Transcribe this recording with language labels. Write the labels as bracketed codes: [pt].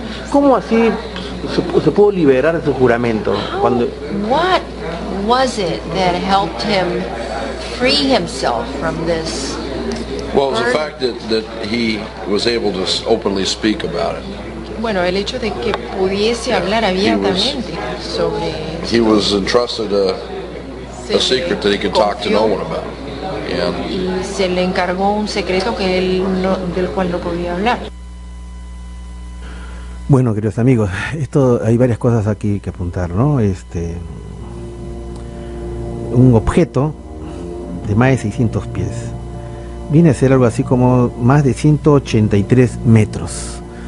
[es] ¿Cómo así se pudo liberar de su juramento? Cuando [en] what was it that helped him free himself from this? Well, it was the fact that he was able to openly speak about it. [es] Bueno, el hecho de que pudiese hablar abiertamente sobre [en] he was entrusted a secret that he could talk to no one about. And [es] y se le encargó un secreto que él no, del cual no podía hablar. Bueno, queridos amigos, esto hay varias cosas aquí que apuntar, ¿no? Un objeto de más de 600 pies. Viene a ser algo así como más de 183 metros.